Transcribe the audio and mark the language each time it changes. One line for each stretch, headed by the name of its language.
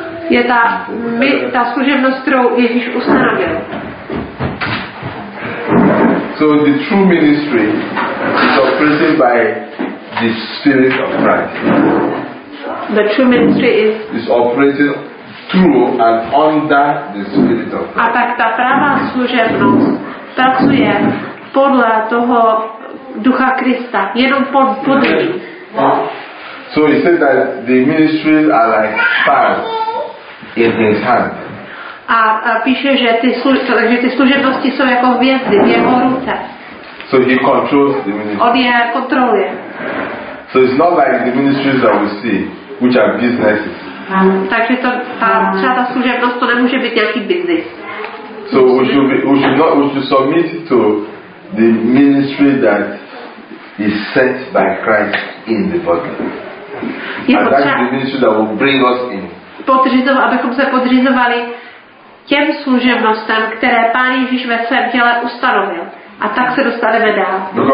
Czech: Je ta, ta služebnost, kterou Ježíš ustanovil.
English: So the true ministry is operated by the Spirit of Christ. The true ministry is operated through and under the Spirit of Christ.
Czech: A tak ta pravá služebnost pracuje podle toho Ducha Krista, jenom pod ním.
English: So he said that the ministries are like fans in his hand.
Czech: A píše, že ty, takže ty služebnosti jsou jako hvězdy v jeho ruce.
English: So he controls the ministry.
Czech: On je kontroluje.
English: So it's not like the ministries that we see, which are businesses.
Czech: Takže to, ta, třeba ta služebnost, to nemůže být nějaký business.
English: So we should submit to the ministry that is set by Christ in the body.
Czech: Je
English: and that's the ministry that will bring us in.
Czech: Abychom se podřizovali těm služebnostem, které Pán Ježíš ve svém těle ustanovil. A tak se dostaneme dál.